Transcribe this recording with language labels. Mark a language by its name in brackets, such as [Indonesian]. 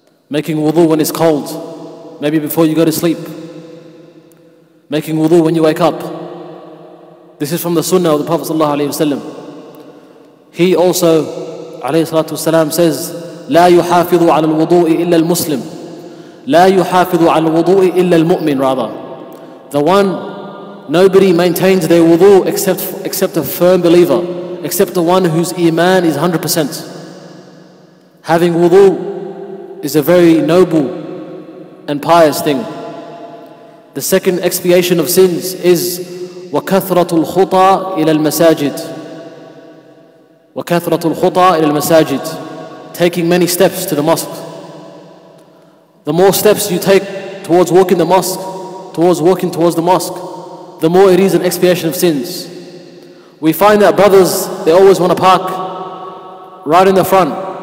[English] Making wudu when it's cold, maybe before you go to sleep. Making wudu when you wake up. This is from the sunnah of the Prophet sallallahu alaihi wasallam. He also, alayhi salatu wasalam, says, [Arabic] لا يحافظ على الوضوء إلا المسلم. لا يحافظ على الوضوء إلا المؤمن, [English] rather. The one, nobody maintains their wudu except a firm believer, except the one whose iman is 100%. Having wudu is a very noble and pious thing. The second expiation of sins is [Arabic] وَكَثْرَةُ الْخُطَى إِلَى الْمَسَاجِدِ وَكَثْرَةُ الْخُطَى إِلَى الْمَسَاجِدِ. [English] Taking many steps to the mosque. The more steps you take towards walking the mosque, towards walking towards the mosque, the more it is an expiation of sins. We find that brothers, they always want to park right in the front.